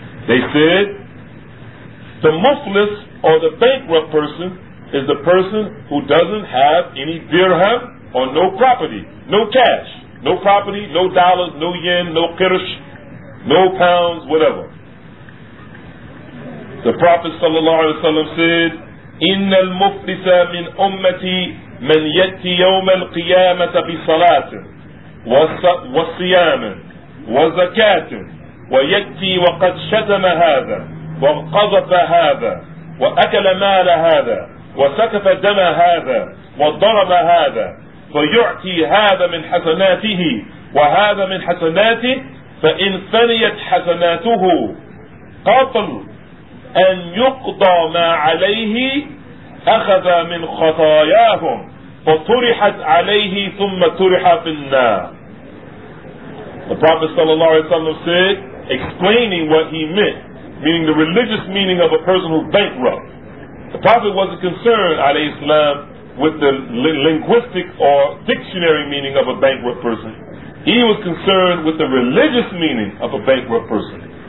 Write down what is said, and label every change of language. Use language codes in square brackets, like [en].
[en] They said, the muflis, or the bankrupt person, is the person who doesn't have any dirham or no property, no cash, no property, no dollars, no yen, no kirsh, no pounds, whatever. The Prophet sallallahu alayhi wa sallam said, [ar] إِنَّ الْمُفْلِسَ مِنْ أُمَّتِي مَنْ يَتِّي يَوْمَ الْقِيَامَةَ بِصَلَاةٍ وَصِيَامٍ وَزَكَاةٍ وَيَتِّي وَقَدْ شَتَمَ هَذَا وَقَذَفَ هَذَا وَأَكَلَ مَالَ هَذَا وَسَكَفَ دَمَ هَذَا وَضَرَبَ هَذَا فَيُعْتِي هَذَا مِنْ حَسَنَاتِهِ وَهَذَا مِنْ حَسَنَاتِهِ فَإِنْ فَنِيَتْ حَسَنَاتُهُ قَاطَلُ أَنْ يُقْضَى مَا عَلَيْهِ أَخَذَ مِنْ خَطَايَاهُمْ فَطُرِحَتْ عَلَيْهِ ثُمَّ تُرِحَ فِي النَّارِ. [en] The Prophet sallallahu alayhi wa sallam said, explaining what he meant, meaning the religious meaning of a person who's bankrupt. The Prophet wasn't concerned, alayhi salam, with the linguistic or dictionary meaning of a bankrupt person. He was concerned with the religious meaning of a bankrupt person.